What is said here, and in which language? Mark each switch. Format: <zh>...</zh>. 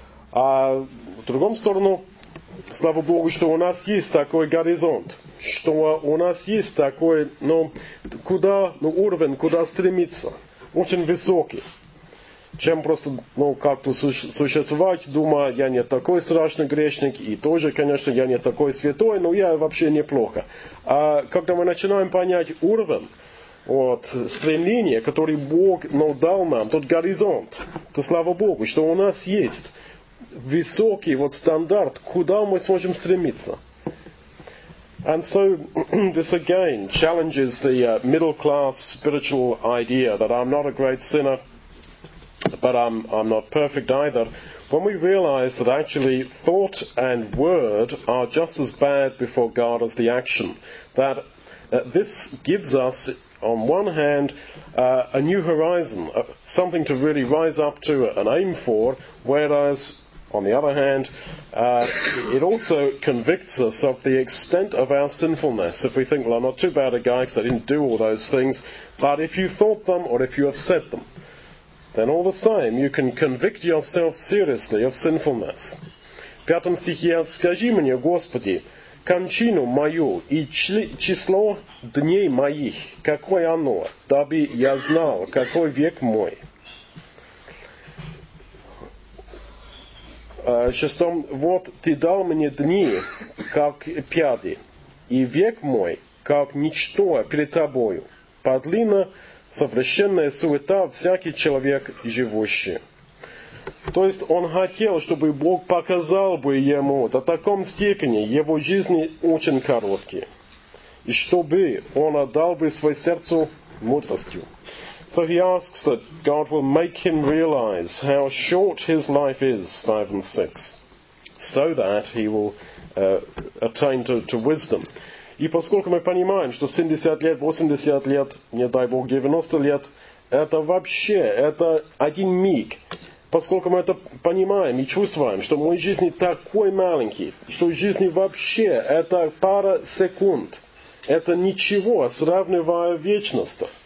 <ru>А в другом сторону, слава Богу, что у нас есть такой горизонт, что у нас есть такой, ну, куда, ну, уровень, куда стремиться, очень высокий, чем просто, ну, как-то существовать, думая, я не такой страшный грешник, и тоже, конечно, я не такой святой, но я вообще неплохо. А когда мы начинаем понять уровень, вот, стремление, которое Бог, ну, дал нам, тот горизонт, то слава Богу, что у нас есть высокий вот стандарт, куда мы сможем стремиться.</ru> <en>And so this again challenges the middle class spiritual idea that I'm not a great sinner, but I'm not perfect either. When we realize that actually thought and word are just as bad before God as the action, that this gives us on one hand a new horizon, something to really rise up to and aim for, whereas on the other hand, it also convicts us of the extent of our sinfulness. If we think, well, I'm not too bad a guy because I didn't do all those things, but if you thought them or if you have said them, then all the same, you can convict yourself seriously of sinfulness.</en> <ru>В пятом стихе, скажи мне, Господи, кончину мою и число дней моих, какое оно, дабы я знал, какой век мой. Шестом, вот ты дал мне дни, как пяди, и век мой, как ничто перед тобою, подлина, совращенная суета, всякий человек живущий». То есть он хотел, чтобы Бог показал бы ему до таком степени, его жизни очень короткие, и чтобы он отдал бы свое сердце мудростью.</ru> <en>So he asks that God will make him realize how short his life is, 5 and 6, so that he will attain to wisdom.</en> <ru>И поскольку мы понимаем, что 70 лет, 80 лет, не дай Бог 90 лет, это вообще, это один миг. Поскольку мы это понимаем и чувствуем, что мой жизнь такой маленький, что жизнь вообще это пара секунд, это ничего, сравнивая вечность.</ru>